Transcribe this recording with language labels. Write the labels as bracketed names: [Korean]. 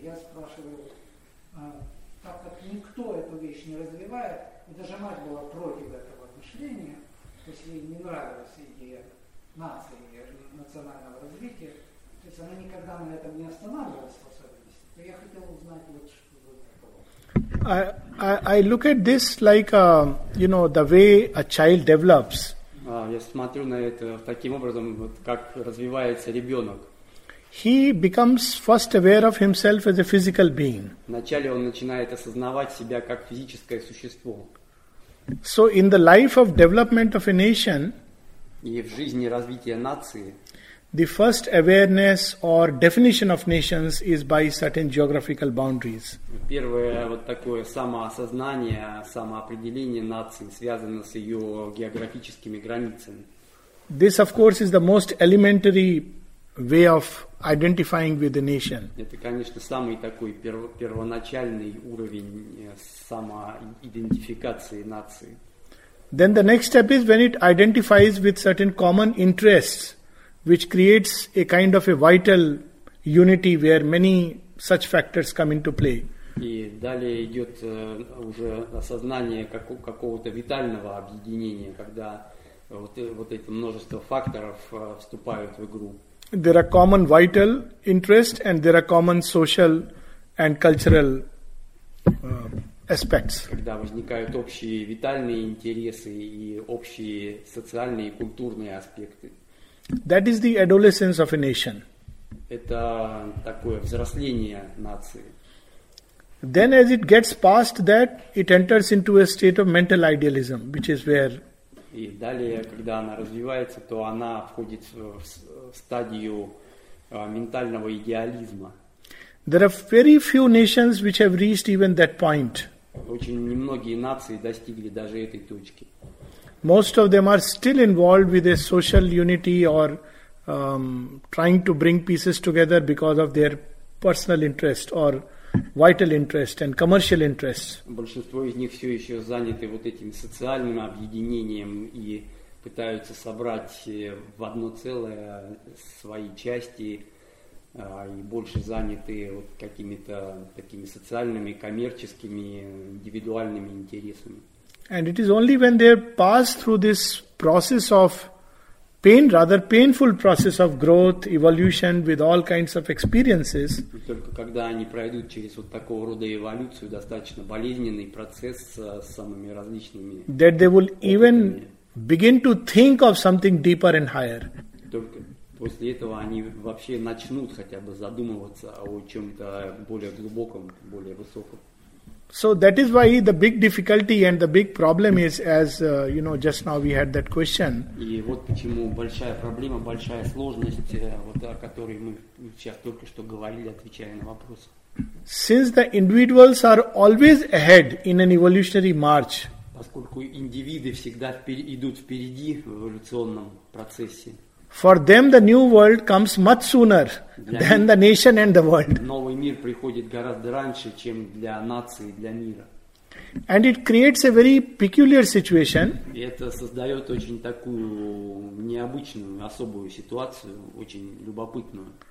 [Russian] Я спрашиваю, так как никто эту вещь не развивает, и даже мать была против этого мышления, то есть ей не нравилась идея нации, национального развития, то есть она никогда на этом не останавливалась, в особенности. То я хотел узнать вот что. [English] I look at this like, the way a child develops. Yeah. [Russian] я смотрю на это таким образом, вот как развивается ребенок. [English] He becomes first aware of himself as a physical being. [Russian] Вначале он начинает осознавать себя как физическое существо. [English] So in the life of development of a nation, [Russian] и в жизни развития нации, [English] the first awareness or definition of nations is by certain geographical boundaries. [Russian] Первое вот такое самоосознание, самоопределение нации связано с ее географическими границами. [English] This, of course, is the most elementary way of identifying with the nation. [Russian] Это, конечно, самый такой первоначальный уровень самоидентификации нации. [English] Then the next step is when it identifies with certain common interests, which creates a kind of a vital unity where many such factors come into play. [Russian] И далее идет уже осознание какого-то витального объединения, когда вот это множество факторов вступают в игру. [English] There are common vital interests and there are common social and cultural aspects. [Russian] Когда возникают общие витальные интересы и общие социальные и культурные аспекты. [English] That is the adolescence of a nation. [Russian] Это такое взросление нации. [English] Then as it gets past that, it enters into a state of mental idealism, which is where... [Russian] И далее, когда она развивается, то она входит в стадию ментального идеализма. [English] There are very few nations which have reached even that point. [Russian] Очень немногие нации достигли даже этой точки. [English] Most of them are still involved with a social unity or trying to bring pieces together because of their personal interest or vital interest and commercial interests. [Russian] Большинство из них все еще заняты вот этим социальным объединением и пытаются собрать в одно целое свои части и больше заняты вот какими-то такими социальными, коммерческими, индивидуальными интересами. [English] And it is only when they pass through this process of pain, rather painful process of growth, evolution, with all kinds of experiences. [Russian] Только когда они пройдут через вот такого рода эволюцию, достаточно болезненный процесс с самыми различными. [English] That they will even begin to think of something deeper and higher. [Russian] Только после этого они вообще начнут хотя бы задумываться о чем-то более глубоком, более высоком. [English] So that is why the big difficulty and the big problem is, as you know, just now we had that question. [Russian] И вот почему большая проблема, большая сложность, вот о которой мы сейчас только что говорили, отвечая на вопрос. [English] Since the individuals are always ahead in an evolutionary march. [Russian] Поскольку индивиды всегда идут впереди в эволюционном процессе. [English] For them, the new world comes much sooner than the nation and the world. [Russian] Новый мир приходит гораздо раньше, чем для нации, для мира. [English] And it creates a very peculiar situation. [Russian] И это создает очень такую необычную, особую ситуацию, очень любопытную.